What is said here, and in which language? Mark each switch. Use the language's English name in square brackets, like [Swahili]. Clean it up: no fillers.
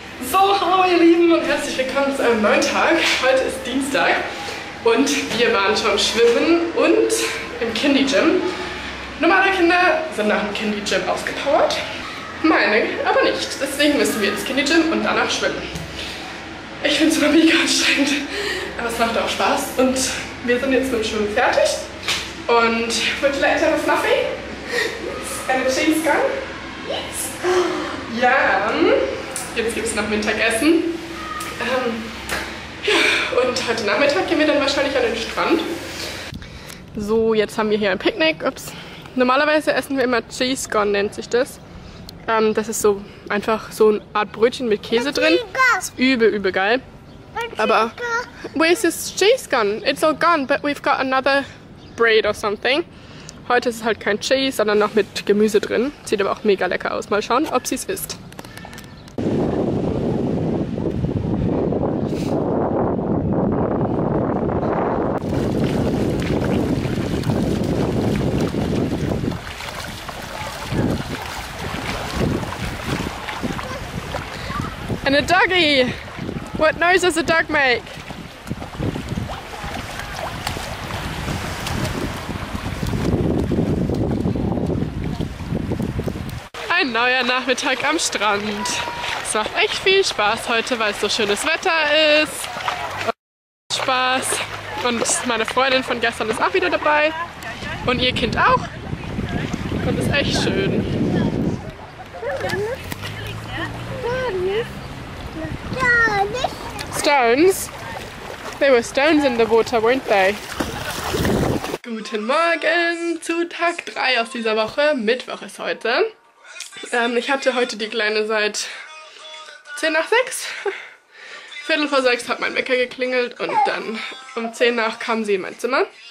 [German] So, hallo ihr Lieben und herzlich willkommen zu einem neuen Tag. Heute ist Dienstag und wir waren schon schwimmen und im Kindy Gym. Normale Kinder sind nach dem Kindy Gym ausgepowert, meine aber nicht. Deswegen müssen wir ins Kindy Gym und danach schwimmen. Ich finde es immer mega anstrengend, aber es macht auch Spaß. Und wir sind jetzt mit dem Schwimmen fertig. [English] Und would you like to have a fluffy? Yes. And a cheese gun? Yes. [German] Ja, jetzt gibt es noch Mittagessen. Und heute Nachmittag gehen wir dann wahrscheinlich an den Strand. So, jetzt haben wir hier ein Picknick. Ups. Normalerweise essen wir immer Cheese Scone, nennt sich das. Das ist so einfach so eine Art Brötchen mit Käse drin. Das ist übel, übel geil. [English] Aber where is this cheese gone? It's all gone, but we've got another bread or something. [German] Heute ist es halt kein Cheese, sondern noch mit Gemüse drin. Sieht aber auch mega lecker aus. Mal schauen, ob sie es isst. [English] And a doggy! What noise does a dog make? [German] Ein neuer Nachmittag am Strand. Es macht echt viel Spaß heute, weil es so schönes Wetter ist. Und Spaß. Und meine Freundin von gestern ist auch wieder dabei. Und ihr Kind auch. Und es ist echt schön. [English] Stones? There were stones in the water, weren't they? [German] Guten Morgen zu Tag 3 aus dieser Woche. Mittwoch ist heute. Ich hatte heute die Kleine seit 10 nach 6. Viertel vor 6 hat mein Wecker geklingelt und dann um 10 nach kam sie in mein Zimmer.